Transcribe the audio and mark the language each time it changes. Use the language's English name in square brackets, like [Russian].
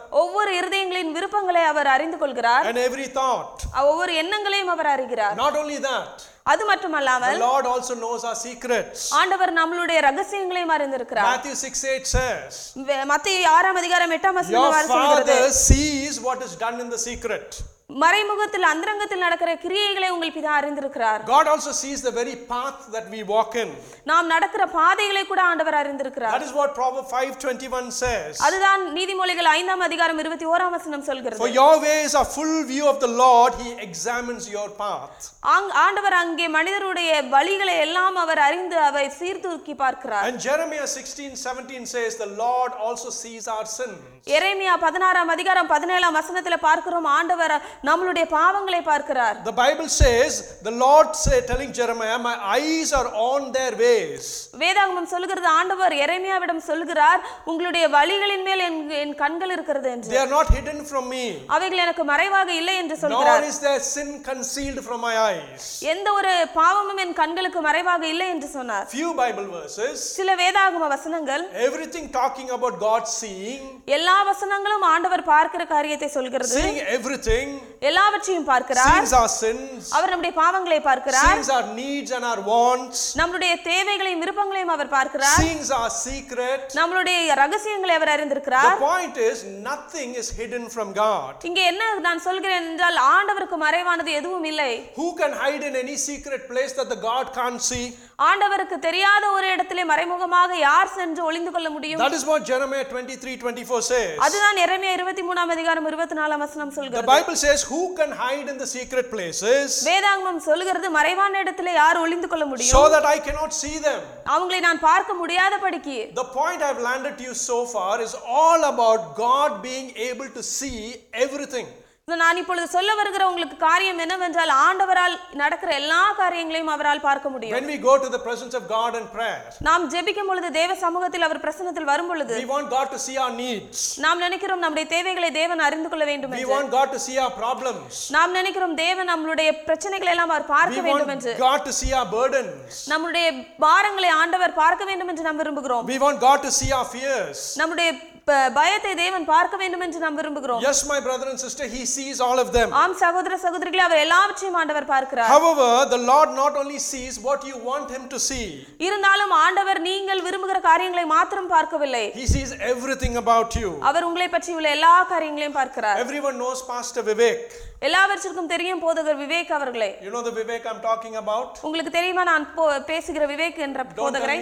[Tamil] ஒவ்வொரு இருதயங்களின் விருப்பங்களை அவர் அறிந்து கொள்கிறார். [English] And every thought. [Tamil] ஒவ்வொரு எண்ணங்களையும் அவர் அறிகிறார். [English] Not only that. [Tamil] அது மட்டுமல்லாமல் [English] The Lord also knows our secrets. [Tamil] ஆண்டவர் நம்மளுடைய ரகசியங்களையும் அறிந்திருக்கிறார். [English] Matthew 6:8 says. [Tamil] மத்தேயு 6 8 வசனம் வாசிக்கிறது. [English] Your Father sees what is done in the secret. [Tamil] மறைமுகத்தில் அந்தரங்கத்தில் நடக்கிற கிரியைகளை உங்கள் பிதா அறிந்திருக்கிறார். [English] God also sees the very path that we walk in. [Tamil] நாம் நடக்கிற பாதைகளை கூட ஆண்டவர் அறிந்திருக்கிறார். [English] That is what Proverbs 5:21 says. [Tamil] அதுதான் நீதிமொழிகள் 5 21 வசனம் சொல்கிறது. [English] For your ways are full view of the Lord, he examines your path. [Tamil] ஆண்டவர் அங்கே மனிதருடைய வழிகளை எல்லாம் அவர் அறிந்து அவை சீர்தூக்கி பார்க்கிறார். [English] And Jeremiah 16:17 says the Lord also sees our sin. [Tamil] எரேமியா 16:17 வசனத்தில் பார்க்கிறோம் ஆண்டவர் நம்மளுடைய பாவங்களை பார்க்கிறார். [English] The Bible says the Lord say telling Jeremiah my eyes are on their ways. [Tamil] வேதாகமம் சொல்கிறது ஆண்டவர் எரேமியாவிடம் சொல்கிறார் உங்களுடைய வழிகளின் மேல் என் கண்கள் இருக்கிறது என்று. [English] They are not hidden from me. [Tamil] அவைகள் எனக்கு மறைவாக இல்லை என்று சொல்கிறார். [English] Nor is their sin concealed from my eyes. [Tamil] எந்த ஒரு பாவமும் என் கண்களுக்கு மறைவாக இல்லை என்று சொன்னார். [English] Few Bible verses. [Tamil] சில வேதாகம வசனங்கள். [English] Everything talking about God seeing. [Tamil] எல்லா வசனங்களும் ஆண்டவர் பார்க்கிற காரியத்தை சொல்கிறது. [English] Seeing everything. [Tamil] எல்லாவற்றையும் பார்க்கிறார். [English] Sees our sins. [Tamil] அவர் நம்முடைய பாவங்களை பார்க்கிறார். [English] Sees our needs and our wants. [Tamil] நம்முடைய தேவைகளையும் விருப்பங்களையும் அவர் பார்க்கிறார். [English] Sees our secret. [Tamil] நம்முடைய ரகசியங்களை அவர் அறிந்திருக்கிறார். [English] The point is nothing is hidden from God. [Tamil] இங்கே என்ன நான் சொல்கிறேன் என்றால் ஆண்டவருக்கு மறைவானது எதுவும் இல்லை. [English] Who can hide in any secret place that the God can't see? [Tamil] ஆண்டவருக்கு தெரியாத ஒரு இடத்திலே மறைமுகமாக யார் சென்று ஒளிந்து கொள்ள முடியும்? [English] That is what Jeremiah 23:24 says. [Tamil] அதுதான் எரேமியா 23:24 வசனம் சொல்கிறது. [English] The Bible says who can hide in the secret places? [Tamil] வேதாகமம் சொல்கிறது மறைவான இடத்திலே யார் ஒளிந்து கொள்ள முடியும்? [English] So that I cannot see them. [Tamil] அவங்களை நான் பார்க்க முடியாத படிக்கு. [English] The point I have landed to you so far is all about God being able to see everything. [Tamil] நான் இப்பொழுது சொல்ல வருகிற உங்களுக்கு காரியம் என்னவென்றால் ஆண்டவரால் நடக்கிற எல்லா காரியங்களையும் அவரால் பார்க்க முடியும். [English] When we go to the presence of God in prayer. [Tamil] நாம் ஜெபிக்கும் பொழுது தேவ சமூகத்தில் அவர் பிரசன்னத்தில் வரும் பொழுது. [English] We want God to see our needs. [Tamil] நாம் நினைக்கிறோம் நம்முடைய தேவைகளை தேவன் அறிந்து கொள்ள வேண்டும் என்று. [English] We want God to see our problems. [Tamil] நாம் நினைக்கிறோம் தேவன் நம்மளுடைய பிரச்சனைகளை எல்லாம் அவர் பார்க்க வேண்டும் என்று. [English] We want God to see our burdens. [Tamil] நம்முடைய பாரங்களை ஆண்டவர் பார்க்க வேண்டும் என்று நாம் விரும்புகிறோம். [English] We want God to see our fears. [Tamil] நம்முடைய பயத்தை தேவன் பார்க்க வேண்டும் என்று நாம் விரும்புகிறோம். [English] Yes my brother and sister he sees all of them. [Tamil] ஆம் சகோதர சகோதரிகளே அவர் எல்லாவற்றையும் ஆண்டவர் பார்க்கிறார். [English] However the Lord not only sees what you want him to see. [Tamil] இருந்தாலும் ஆண்டவர் நீங்கள் விரும்புகிற காரியங்களை மட்டும் பார்க்கவில்லை. [English] He sees everything about you. [Tamil] அவர் உங்களை பற்றி உள்ள எல்லா காரியங்களையும் பார்க்கிறார். [English] Everyone knows Pastor Vivek. [Tamil] எல்லாவற்றிற்கும் தெரியும் போதகர் விவேக் அவர்களே. [English] You know the Vivek I'm talking about? [Tamil] உங்களுக்கு தெரியுமா நான் பேசுகிற விவேக் என்ற போதகரை?